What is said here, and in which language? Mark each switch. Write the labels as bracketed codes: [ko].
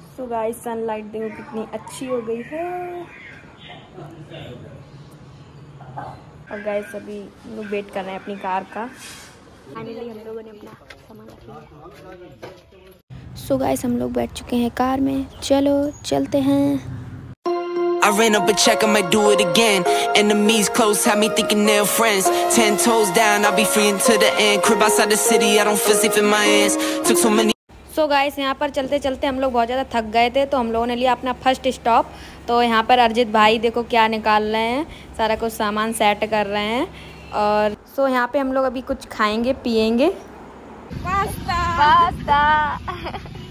[en] so guys, [hi] sunlight देखो कितनी अच्छी हो गई है। और गाइस, अभी हम लोग वेट कर रहे हैं अपनी कार का। फाइनली हम लोगों ने अपना सामान रख लिया। सो गाइस, हम लोग बैठ चुके हैं कार में, चलो चलते हैं। [en] I ran up a check, I might do it again. Enemies close, have me thinking they're friends. 10 toes down, I'll be free until the end. Crib outside the city, I don't feel safe in my hands. Took so many. So guys, [hi] यहाँ पर चलते चलते हम लोग बहुत ज़्यादा थक गए थे, तो हम लोगों ने लिया अपना फर्स्ट स्टॉप। तो यहाँ पर अर्जित भाई देखो क्या निकाल रहे हैं, सारा कुछ सामान सेट कर रहे हैं। और सो यहाँ पे हम लोग अभी कुछ खाएंगे पियेंगे। Pasta, pasta.